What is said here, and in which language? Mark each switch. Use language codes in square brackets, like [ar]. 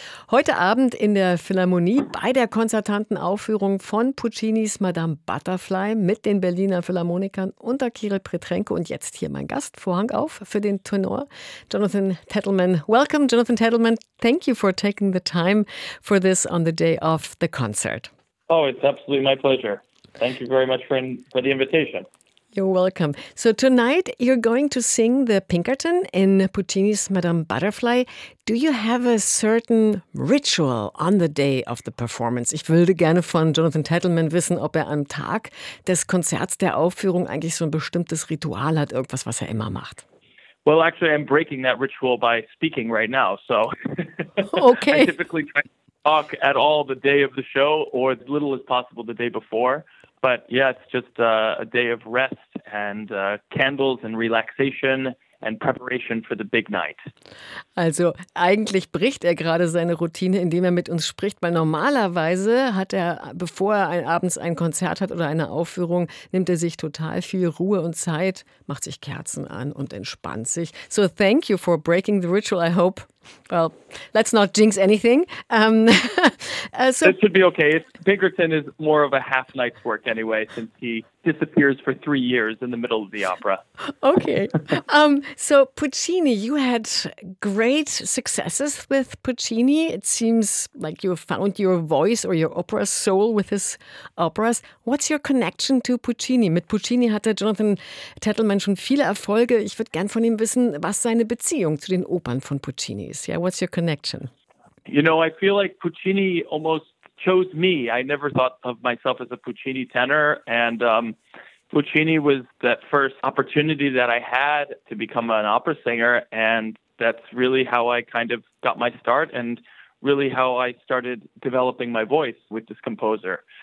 [de] Heute Abend in der Philharmonie bei der konzertanten Aufführung von Puccinis Madame Butterfly mit den Berliner Philharmonikern unter Kirill Petrenko. Und jetzt hier mein Gast, Vorhang auf für den Tenor, Jonathan Tettelman. [en] Welcome, Jonathan Tettelman. Thank you for taking the time for this on the day of the concert. Oh, it's absolutely my pleasure. Thank you very much for the invitation. You're welcome. So tonight you're going to sing the Pinkerton in Puccini's Madame Butterfly. Do you have a certain ritual on the day of the performance? [de] Ich würde gerne von Jonathan Tettelman wissen, ob er am Tag des Konzerts, der Aufführung, eigentlich so ein bestimmtes Ritual hat, irgendwas, was er immer macht. [en] Well, actually, I'm breaking that ritual by speaking right now. So okay. I typically try to talk at all the day of the show or as little as possible the day before. But yeah, it's just a day of rest and candles and relaxation and preparation for the big night. [de] Also eigentlich bricht er gerade seine Routine, indem er mit uns spricht, weil normalerweise hat er, bevor er abends ein Konzert hat oder eine Aufführung, nimmt er sich total viel Ruhe und Zeit, macht sich Kerzen an und entspannt sich. [en] So thank you for breaking the ritual, I hope. Well, let's not jinx anything. So it should be okay. Pinkerton is more of a half night's work anyway, since he disappears for 3 years in the middle of the opera. Okay. So Puccini, you had great successes with Puccini. It seems like you found your voice or your opera soul with his operas. What's your connection to Puccini? [de] Mit Puccini hatte Jonathan Tettelman schon viele Erfolge. Ich würde gern von ihm wissen, was seine Beziehung zu den Opern von Puccini ist. [en] Yeah, what's your connection? You know, I feel like Puccini almost chose me. I never thought of myself as a Puccini tenor. And Puccini was that first opportunity that I had to become an opera singer. And that's really how I kind of got my start and really how I started developing my voice with this composer.